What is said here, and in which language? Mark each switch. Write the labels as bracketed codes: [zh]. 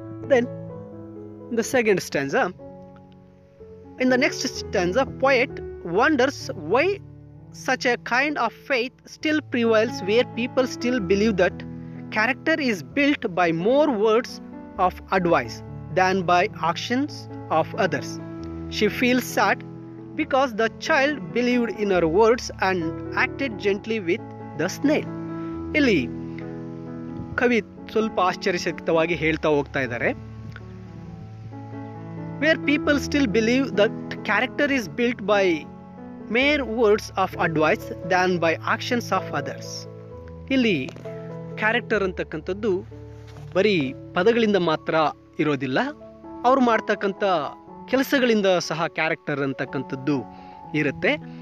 [en] Then the second stanza, in the next stanza, poet wonders why such a kind of faith still prevails where people still believe that character is built by more words of advice than by actions of others. She feels sad because the child believed in her words and acted gently with the snail. [kn] ಇಲ್ಲಿ ಕವಿ ಸ್ವಲ್ಪ ಆಶ್ಚರ್ಯಶಕ್ತವಾಗಿ ಹೇಳ್ತಾ ಹೋಗ್ತಾ ಇದ್ದಾರೆ. [en] Where people still believe that character is built by mere words of advice than by actions of others. [kn] ಇಲ್ಲಿ character ಅಂತಕ್ಕಂಥದ್ದು ಬರೀ ಪದಗಳಿಂದ ಮಾತ್ರ ಇರೋದಿಲ್ಲ, ಅವ್ರು ಮಾಡ್ತಕ್ಕಂಥ ಕೆಲಸಗಳಿಂದ ಸಹ ಕ್ಯಾರೆಕ್ಟರ್ ಅಂತಕ್ಕಂಥದ್ದು ಇರುತ್ತೆ.